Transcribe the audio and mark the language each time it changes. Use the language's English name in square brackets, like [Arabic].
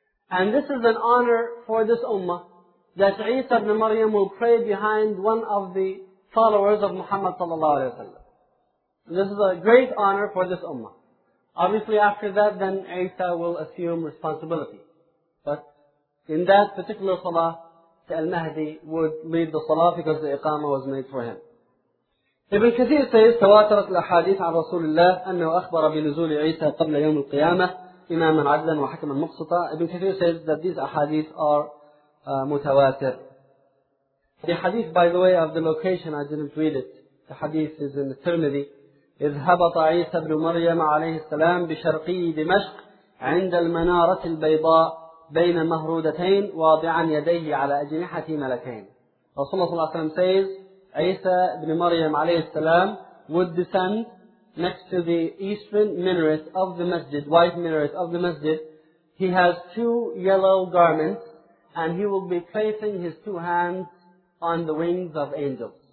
[English] And this is an honor for this ummah, that Isa ibn Maryam will pray behind one of the followers of Muhammad sallallahu alayhi wa sallam. This is a great honor for this ummah. Obviously after that then Isa will assume responsibility. But in that particular salah, Al-Mahdi would lead the salah because the iqama was made for him. Ibn Kathir says, [Arabic] تواترت الأحاديث عن رسول الله أنه أخبر بنزول عيسى قبل يوم القيامة إماما عدلا وحكما مقسطا. [English] Ibn Kathir says that these ahadith are متواتر. The hadith, by the way, of the location, I didn't read it. The hadith is in the Tirmidhi. [Arabic] إذ هبط عيسى بن مريم عليه السلام بشرقي دمشق عند المنارة البيضاء بين مهرودتين واضعا يديه على أجنحة ملكين. [English] Rasulullah [Arabic] صلى الله عليه وسلم [English] says, Isa ibn Maryam [Arabic] عليه السلام [English] would descend next to the eastern minaret of the masjid, white minaret of the masjid. He has two yellow garments and he will be placing his two hands on the wings of angels.